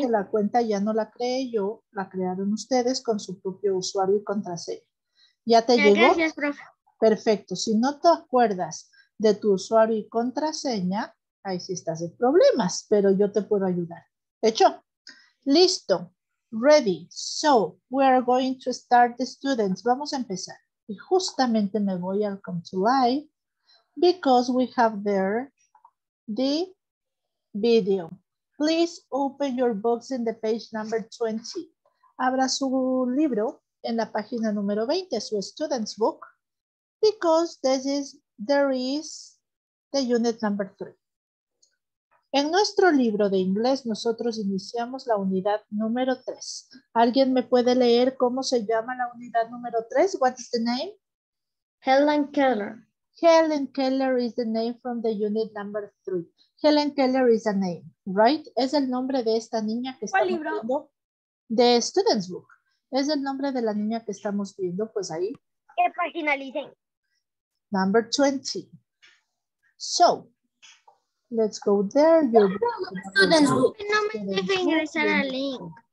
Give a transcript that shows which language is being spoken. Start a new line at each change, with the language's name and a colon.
Spanish: Que la cuenta ya no la creé yo, la crearon ustedes con su propio usuario y contraseña. ¿Ya te llegó? Gracias, profe. Perfecto. Si no te acuerdas de tu usuario y contraseña, ahí sí estás en problemas, pero yo te puedo ayudar. ¿Hecho? Listo.
English: Ready. So, we are going to start the students.
Spanish: Vamos a empezar. Y justamente me voy al Come to Life
English: because we have there the video. Please open your books in the page number 20.
Spanish: Abra su libro en la página número 20, su student's book,
English: because there is the unit number 3.
Spanish: En nuestro libro de inglés, nosotros iniciamos la unidad número 3. ¿Alguien me puede leer cómo se llama la unidad número 3?
English: What is the name? Helen Keller. Helen Keller is the name from the unit number 3. Helen Keller is a name, right?
Spanish: Es el nombre de esta niña que estamos libro? Viendo.
English: The student's book.
Spanish: Es el nombre de la niña que estamos viendo, pues ahí. ¿Qué página dicen?
English: Number 20. So, let's go there. Your student's book.
Spanish: No me deja ingresar al link.